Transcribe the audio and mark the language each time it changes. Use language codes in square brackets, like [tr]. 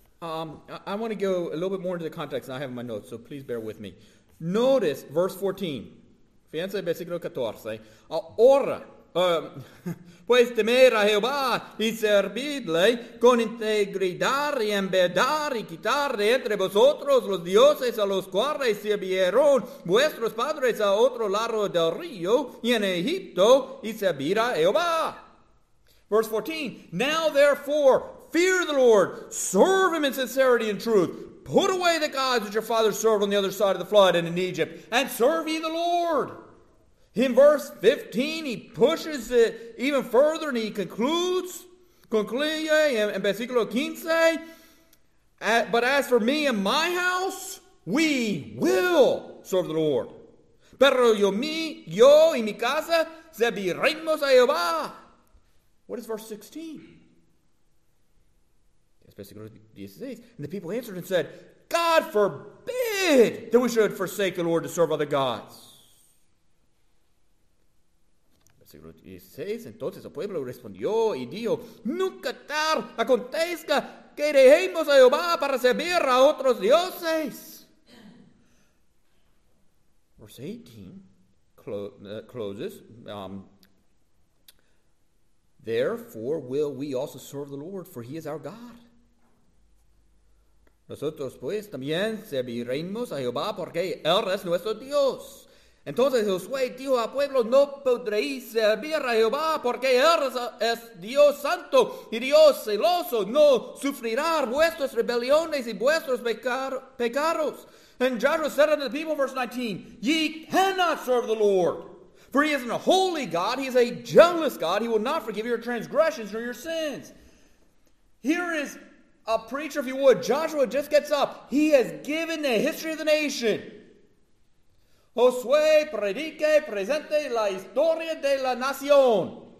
[en] I want to go a little bit more into the context, and I have my notes, so please bear with me. Notice verse 14. [es] Fíjense el versículo 14. Ahora, pues temer a Jehová y servidle con integridad y en verdad y quitar de entre vosotros los dioses a los cuales sirvieron vuestros padres a otro lado del río y en Egipto y servir a Jehová. [en] Verse 14, now therefore, fear the Lord, serve him in sincerity and truth. Put away the gods that your fathers served on the other side of the flood and in Egypt, and serve ye the Lord. In verse 15, he pushes it even further, and he concludes, [es] concluye, [en] in versículo 15, but as for me and my house, we will serve the Lord. [es] Pero yo y mi casa serviremos a Jehová. [en] What is verse 16? And the people answered and said, God forbid that we should forsake the Lord to serve other gods. [es] Versículo 16, entonces el pueblo respondió y dijo, nunca tal acontezca que dejemos a Jehová para servir a otros dioses. [en] Verse 18 closes, therefore will we also serve the Lord, for he is our God. [es] Nosotros, pues, también serviremos a Jehová porque Él es nuestro Dios. Entonces Josué dijo al pueblo, no podréis servir a Jehová porque Él es Dios santo y Dios celoso. No sufrirá vuestras rebeliones y vuestros pecados. [en] And Joshua said unto the people, verse 19, ye cannot serve the Lord, for he is a holy God, he is a jealous God, he will not forgive your transgressions or your sins. Here is a preacher, if you would, Joshua just gets up. He has given the history of the nation. [es] Josué predique, presente la historia de la nación.